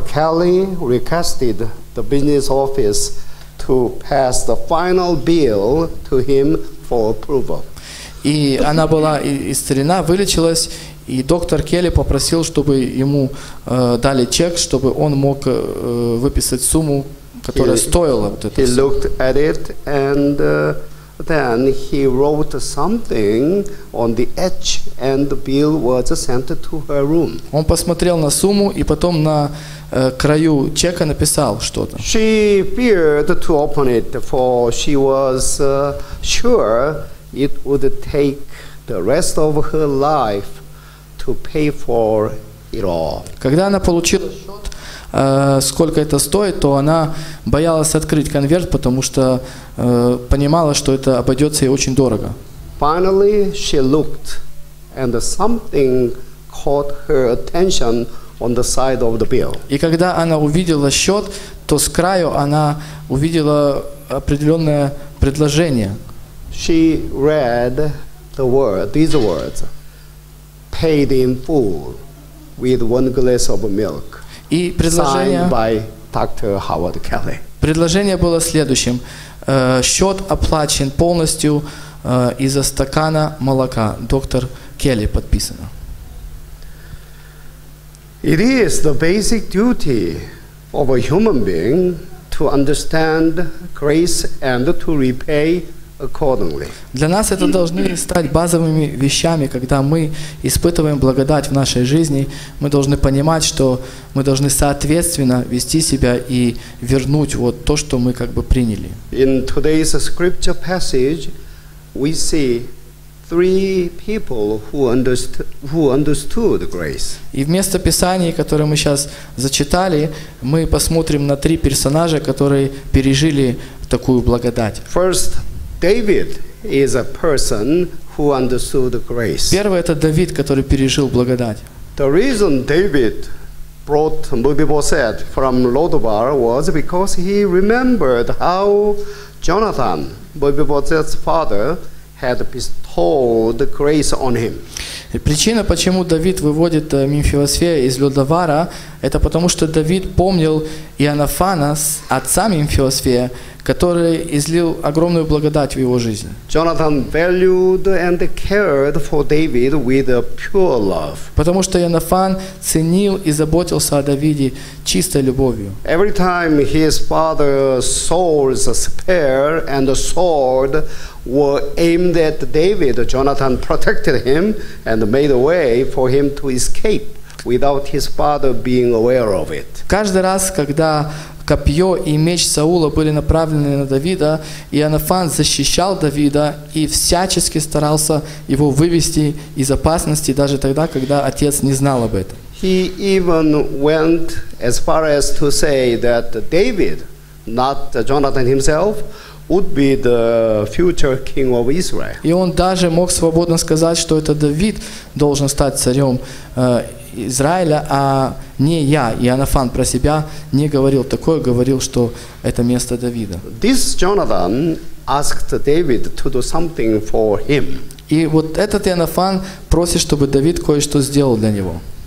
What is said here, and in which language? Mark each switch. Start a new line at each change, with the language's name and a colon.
English: Kelly requested the business office to pass the final bill to him for approval.
Russian: И она была исцелена, вылечилась, и доктор Келли попросил, чтобы ему дали чек, чтобы он мог выписать сумму, которая стоила вот это.
English: He looked at it and then he wrote something on the edge, and the bill was sent to her room.
Russian: Он посмотрел на сумму и потом на краю чека написал что-то.
English: She feared to open it, for she was sure it would take the rest of her life to pay for it all.
Russian: Когда она получила счет, сколько это стоит, то она боялась открыть конверт, потому что понимала, что это обойдется ей очень дорого.
English: Finally, she looked, and something caught her attention on the side of the bill.
Russian: И когда она увидела счет, то с краю она увидела определенное предложение.
English: She read the word, these words: paid in full with one glass of milk.
Russian: И предложение,
English: signed by Dr. Howard Kelly.
Russian: Предложение было следующим: счет оплачен полностью из-за стакана молока. Доктор Келли подписано.
English: It is the basic duty of a human being to understand grace and to repay accordingly.
Russian: Для нас это должны стать базовыми вещами, когда мы испытываем благодать в нашей жизни, мы должны понимать, что мы должны соответственно вести себя и вернуть вот то, что мы как бы приняли.
English: In today's scripture passage, we see three people who understood grace.
Russian: И вместо писания, которое мы сейчас зачитали, мы посмотрим на три персонажа, которые пережили такую благодать.
English: First, David is a person who understood grace.
Russian: Первый — это Давид, который пережил благодать.
English: The reason David brought Mephibosheth from Lodabar was because he remembered how Jonathan, Mephibosheth's father, had bestowed grace on him.
Russian: Причина, почему Давид выводит Мефибосета из Лодовара, это потому, что Давид помнил Ионафана, отца Мефибосета, который излил огромную благодать в его жизни.
English: Jonathan valued and cared for David with a pure love.
Russian: Потому что Ионафан ценил и заботился о Давиде чистой любовью.
English: Every time his father saw a spear and a sword were aimed at David, Jonathan protected him and made a way for him to escape without his father being aware of it.
Russian: Каждый раз, когда копье и меч Саула были направлены на Давида, Ионафан защищал Давида и всячески старался его вывести из опасности, даже тогда, когда отец не знал об этом.
English: He even went as far as to say that David, not Jonathan himself, would be the future king of Israel.
Russian: И он даже мог свободно сказать, что это Давид должен стать царем Израиля, а не я. Ионафан про себя не говорил такое, говорил, что это место Давида.
English: This Jonathan asked David to do something for him.
Russian: И вот этот Ионафан просит, чтобы Давид кое-что сделал для него.